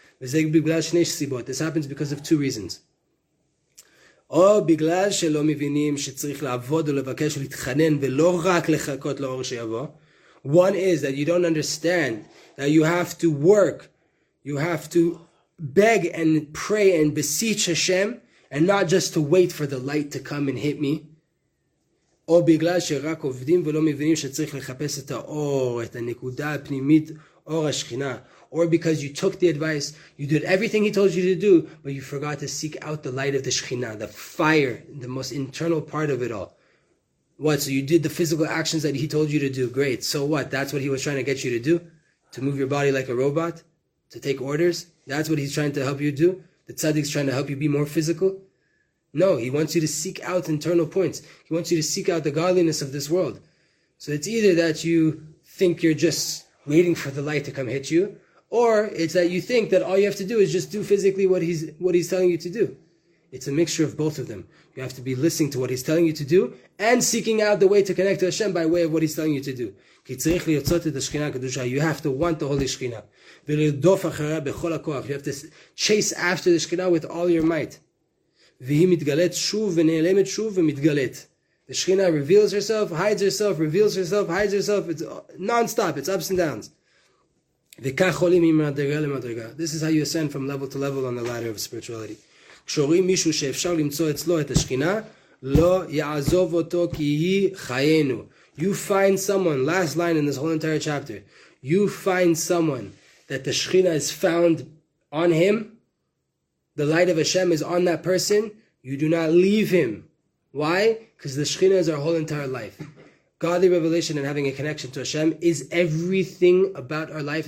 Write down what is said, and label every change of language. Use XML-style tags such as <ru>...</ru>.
<en>This happens because of two reasons. Or because they don't understand that you have to work and ask and pray and not just wait for the light that will come. One is that you don't understand that you have to work, you have to beg and pray and beseech Hashem and not just to wait for the light to come and hit me.</en> <he>או בגלל שרק עובדים ולא מבינים שצריך לחפש את האור, את הנקודה הפנימית, אור השכינה.</he> <en>Or because you took the advice, you did everything he told you to do, but you forgot to seek out the light of the Shekhinah, the fire, the most internal part of it all. What? So you did the physical actions that he told you to do. Great. So what? That's what he was trying to get you to do? To move your body like a robot? To take orders? That's what he's trying to help you do? The tzaddik's trying to help you be more physical? No, he wants you to seek out internal points. He wants you to seek out the godliness of this world. So it's either that you think you're just waiting for the light to come hit you, or it's that you think that all you have to do is just do physically what he's telling you to do. It's a mixture of both of them. You have to be listening to what he's telling you to do and seeking out the way to connect to Hashem by way of what he's telling you to do.</en> <he>כי צריך לרצות את השכינה הקדושה.</he> <en>You have to want the Holy Shekhinah.</en> <he>ולרדוף אחריה בכל הכוח.</he> <en>You have to chase after the Shekhinah with all your might.</en> <he>והיא מתגלית שוב ונעלמת שוב ומתגלית.</he> <en>The Shekhinah reveals herself, hides herself, reveals herself, hides herself. It's non-stop, it's ups and downs.</en> <he>וכך עולים ממדרגה למדרגה.</he> <en>This is how you ascend from level to level on the ladder of spirituality.</en> <he>כשרואים מישהו שאפשר למצוא אצלו את השכינה, לא יעזוב אותו כי היא חיינו.</he> <en>You find someone, last line in this whole entire chapter, you find someone that the Shekhinah is found on him, the light of Hashem is on that person, you do not leave him. Why? Because the Shekhinah is our whole entire life. Godly revelation and having a connection to Hashem is everything about our life.</en>